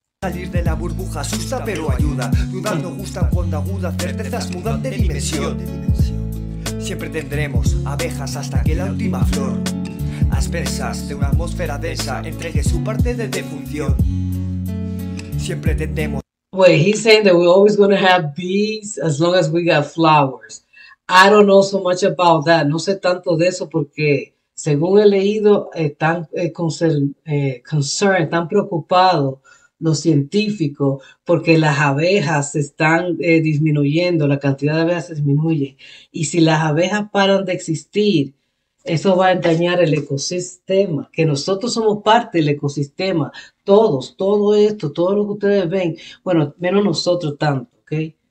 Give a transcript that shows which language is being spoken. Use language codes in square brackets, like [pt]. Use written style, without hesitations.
[es] Salir de la burbuja asusta, pero ayuda. Dudando gusta cuando aguda certezas mudan de dimensión. Siempre tendremos abejas hasta que la última flor, aspersas de una atmósfera densa, entregue su parte de defunción. Siempre tendremos. [en] Wait, he's saying that we're always going to have bees as long as we got flowers. I don't know so much about that. [es] No sé tanto de eso porque, según he leído, están concerned, están preocupados los científicos porque las abejas se están disminuyendo, la cantidad de abejas se disminuye. Y si las abejas paran de existir, eso va a dañar el ecosistema, que nosotros somos parte del ecosistema, todos, todo esto, todo lo que ustedes ven, bueno, menos nosotros tanto, ¿ok?